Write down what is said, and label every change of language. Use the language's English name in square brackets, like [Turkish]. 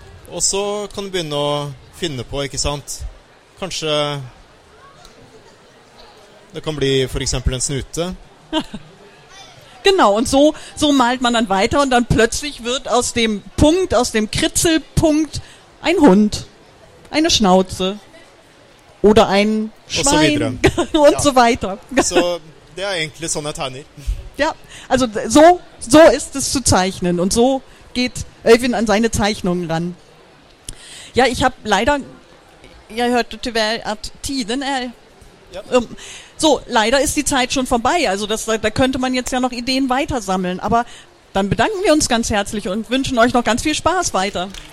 [Norwegian] Og så kan du begynne å finne på, ikke sant? Kanskje det kan bli for eksempel en snute. [German] Genau, und so malt man dann weiter, und dann plötzlich wird aus dem Punkt, aus dem Kritzelpunkt ein Hund, eine Schnauze oder ein Schwein und so weiter. [Norwegian] Så det egentlig sånn jeg tegner. [German] Ja, also so ist es zu zeichnen, und so geht Elvin an seine Zeichnungen ran. Ja, ich habe leider, ja, ihr hört [Swedish] tyvärr att tiden är. [German] So, leider ist die Zeit schon vorbei, also da könnte man jetzt ja noch Ideen weiter sammeln, aber dann bedanken wir uns ganz herzlich und wünschen euch noch ganz viel Spaß weiter.